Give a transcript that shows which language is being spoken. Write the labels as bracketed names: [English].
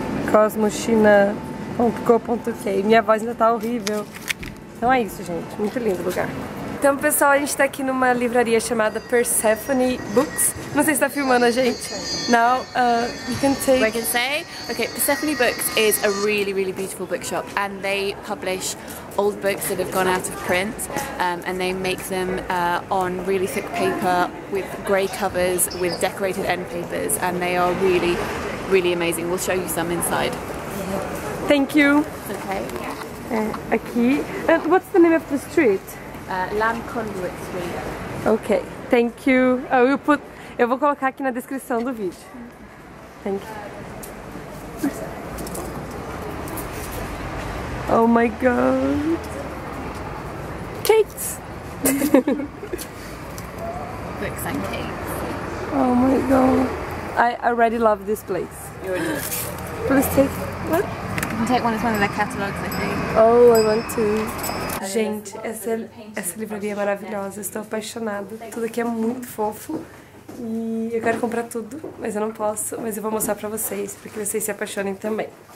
[Portuguese] cosmochina.co.uk. Minha voz ainda tá horrível. Então é isso, gente. Muito lindo o lugar. Então, pessoal, a gente tá aqui numa livraria chamada Persephone Books. Não sei se tá filmando a gente. [English] Now, you can take... We can say? Okay, Persephone Books is a really, really beautiful bookshop. And they publish old books that have gone out of print. And they make them on really thick paper with grey covers, with decorated end papers. And they are really, really amazing. We'll show you some inside. Thank you. Okay. [Portuguese] Aqui. [English] What's the name of the street? Land Conduit Street. Okay, thank you. [Portuguese] Eu vou colocar aqui na descrição do vídeo. [English] Thank you. Oh my god. Cakes! Books and cakes. Oh my god. I already love this place. You already love it. Please take what? Take one of their catalogs, I think. Oh, I want to. [Portuguese] Gente, essa livraria é maravilhosa. Estou apaixonada. Tudo aqui é muito fofo. E eu quero comprar tudo, mas eu não posso. Mas eu vou mostrar pra vocês, pra que vocês se apaixonem também.